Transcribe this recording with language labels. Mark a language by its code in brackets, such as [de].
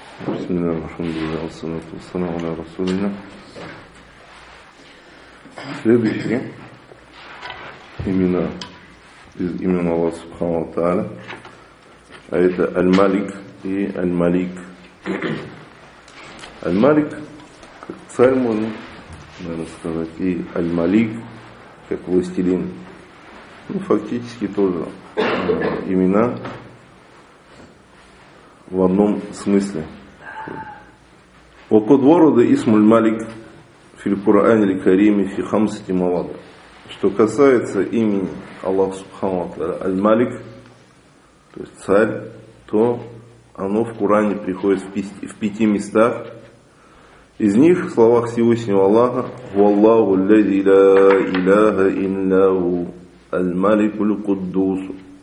[ar] بسم الله الرحمن الرحيم والصلاة والسلام على رسول الله. [ru] Следующее имена из имен Аллаха Субхана ва Тааля, а это Аль-Малик и Аль-Малик. Аль-Малик как царь, можно, наверное, сказать, и Аль-Малик как властелин. Ну, фактически тоже имена в одном смысле. [ar] وقد ورد اسم الملك في القرآن الكريم في خمسة مواضع. [ru] Что касается имени Аллаха Субхану ва Тааля, Аль-Малик, то есть царь, то оно в Коране приходит в пяти местах. Из них в словах Всевышнего Аллаха: [ar] «Валлаху ллази ла иляха илляху аль-малику ль-Куддусу».